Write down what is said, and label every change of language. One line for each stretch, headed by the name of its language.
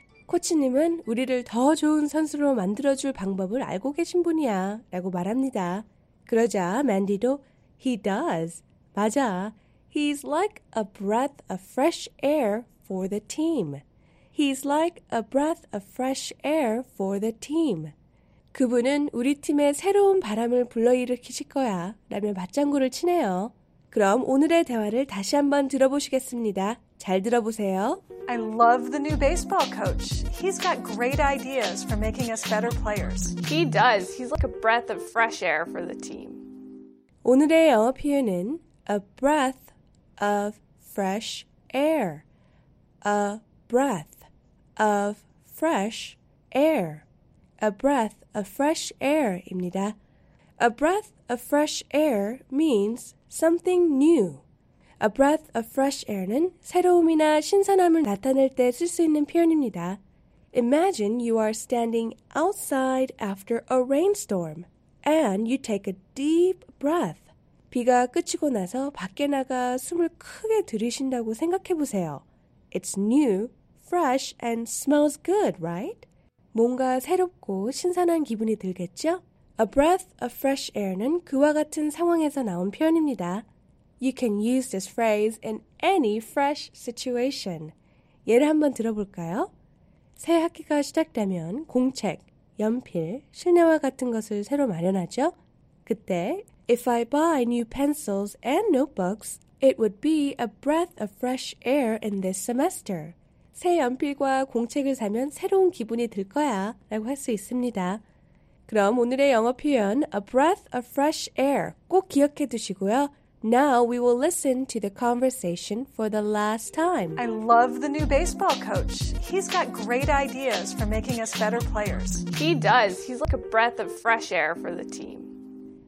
Korean: 코치님은 우리를 더 좋은 선수로 만들어줄 방법을 알고 계신 분이야 라고 말합니다. 그러자 Mandy도
English: He does.
Korean: 맞아.
English: He's like a breath of fresh air for the team. He's like a breath of fresh air for the team.
Korean: 그분은 우리 팀의 새로운 바람을 불러일으키실 거야 라며 맞장구를 치네요. 그럼 오늘의 대화를 다시 한번 들어보시겠습니다. 잘 들어보세요.
English: I love the new baseball coach. He's got great ideas for making us better players. He does. He's like a breath of fresh air for the team.
Korean: 오늘의 영어 표현은
English: a breath of fresh air. A breath of fresh air. A breath of fresh air입니다. A breath of fresh air means something new. A breath of fresh air
Korean: 는 새로움이나 신선함을 나타낼 때 쓸 수 있는 표현입니다.
English: Imagine you are standing outside after a rainstorm and you take a deep breath.
Korean: 비가 그치고 나서 밖에 나가 숨을 크게 들이신다고 생각해 보세요.
English: It's new, fresh, and smells good, right?
Korean: 뭔가 새롭고 신선한 기분이 들겠죠?
English: A breath of fresh air
Korean: 는 그와 같은 상황에서 나온 표현입니다.
English: You can use this phrase in any fresh situation.
Korean: 예를 한번 들어볼까요? 새 학기가 시작되면 공책, 연필, 실내화 같은 것을 새로 마련하죠? 그때,
English: If I buy new pencils and notebooks, it would be a breath of fresh air in this semester.
Korean: 새 연필과 공책을 사면 새로운 기분이 들 거야 라고 할 수 있습니다. 그럼 오늘의 영어 표현
English: A breath of fresh air
Korean: 꼭 기억해 두시고요.
English: Now we will listen to the conversation for the last time. I love the new baseball coach. He's got great ideas for making us better players. He does. He's like a breath of fresh air for the team.